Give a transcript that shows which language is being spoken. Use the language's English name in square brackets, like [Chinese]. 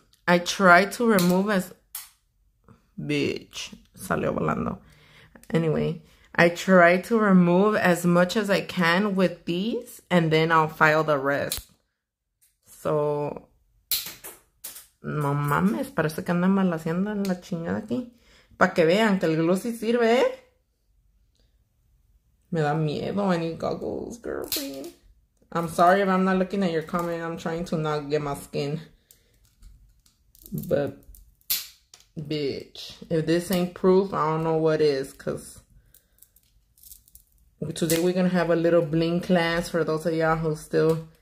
[English] I try to remove as, bitch, [Spanish] salió volando. [English] Anyway, I try to remove as much as I can with these, and then I'll file the rest. [Spanish] So, no mames, parece que anda mal haciendo la chingada aquí. Para que vean que el glue sí sirve. Me da miedo. [English] I need goggles, girlfriend. I'm sorry if I'm not looking at your comment. I'm trying to not get my skin. But bitch, if this ain't proof, I don't know what is, because today we're gonna have a little bling class for those of y'all who still